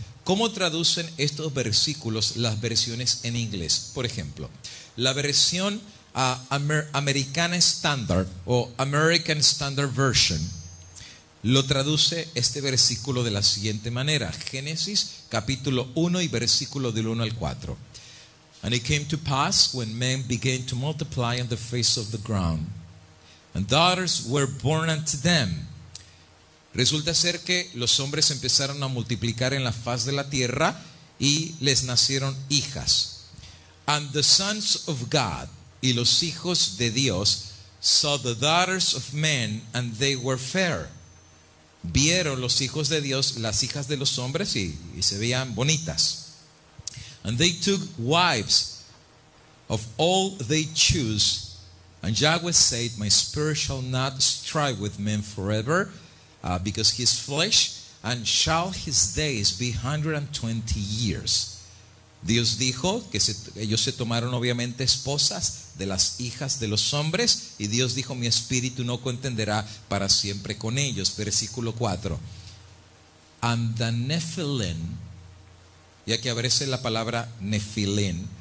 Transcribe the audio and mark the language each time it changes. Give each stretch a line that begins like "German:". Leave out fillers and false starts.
Spanish: ¿Cómo traducen estos versículos las versiones en inglés? Por ejemplo, la versión American Standard o American Standard Version lo traduce este versículo de la siguiente manera. Génesis capítulo 1 y versículo del 1 al 4.
English: And it came to pass when men began to multiply on the face of the ground, and daughters were born unto them.
Spanish: Resulta ser que los hombres empezaron a multiplicar en la faz de la tierra y les nacieron hijas.
English: And the sons of God, y los hijos de Dios, saw the daughters of men, and they were fair.
Spanish: Vieron los hijos de Dios las hijas de los hombres y se veían bonitas.
English: And they took wives of all they choose. And Yahweh said, my spirit shall not strive with men forever, because his flesh, and shall his days be 120 years.
Spanish: Dios dijo que ellos se tomaron obviamente esposas de las hijas de los hombres, y Dios dijo, mi espíritu no contenderá para siempre con ellos. Versículo 4. And the Nephilim, y aquí aparece la palabra Nephilim.